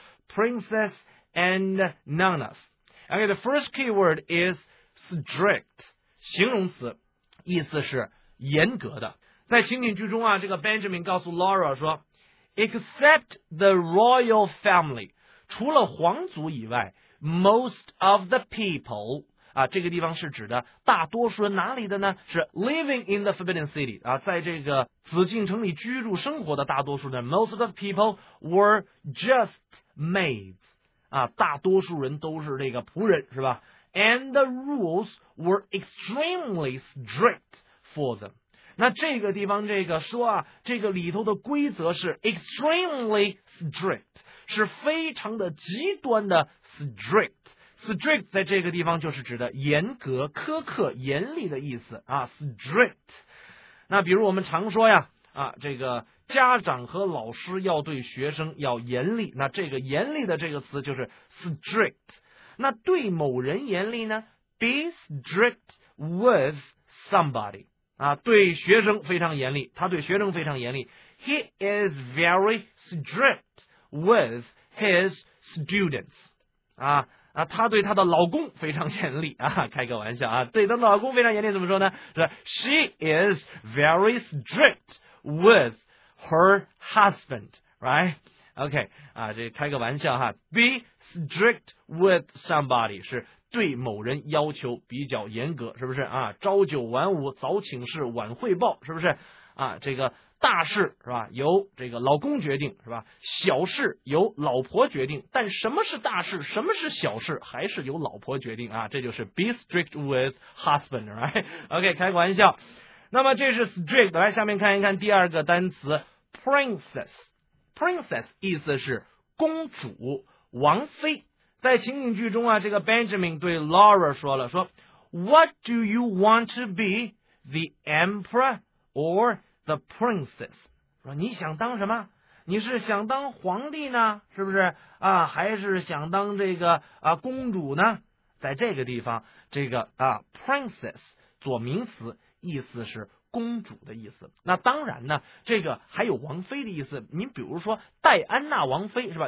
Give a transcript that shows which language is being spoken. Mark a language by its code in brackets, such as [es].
[en] princess and nonnas OK the first keyword is strict [zh] 形容词意思是严格的在情景剧中啊这个 Benjamin 告诉 Laura 说 [en] except the royal family [zh] 除了皇族以外 [en] most of the people [zh] 啊，这个地方是指的大多数人哪里的呢？是 [en] living in the Forbidden City [zh] 啊，在这个紫禁城里居住生活的大多数人 ， [en] most of people were just maids [zh] 啊，大多数人都是这个仆人是吧 ？ [en] And the rules were extremely strict for them。 [zh] 那这个地方这个说啊，这个里头的规则是 [en] extremely strict， [zh] 是非常的极端的 strict。 Strict 在这个地方就是指的严格、苛刻、严厉的意思啊。 Strict， 那比如我们常说呀，啊，这个家长和老师要对学生要严厉，那这个严厉的这个词就是 strict。那对某人严厉呢 ？ [en] Be strict with somebody [zh] 啊，对学生非常严厉，他对学生非常严厉。 [en] He is very strict with his students 啊。 [zh] 啊，她对她的老公非常严厉啊，开个玩笑啊，对她老公非常严厉，怎么说呢？ [en] 是 she is very strict with her husband, right? [zh] OK， 啊，这开个玩笑哈 ， [en] be strict with somebody [zh] 是对某人要求比较严格，是不是啊？朝九晚五，早请示，晚汇报，是不是啊？这个。大事是吧由这个老公决定是吧小事由老婆决定但什么是大事什么是小事还是由老婆决定啊这就是 [en] be strict with husband, right? OK, [zh] 开个玩笑。那么这是 strict, 来下面看一看第二个单词 princess。 princess 意思是公主王妃。在情景剧中啊这个 Benjamin 对 Laura 说了说 , [en] What do you want to be, the emperor or The princess [zh] 说你想当什么？你是想当皇帝呢，是不是啊？还是想当这个啊公主呢？在这个地方，这个啊 princess 做名词，意思是公主的意思。那当然呢，这个还有王妃的意思。你比如说戴安娜王妃是吧？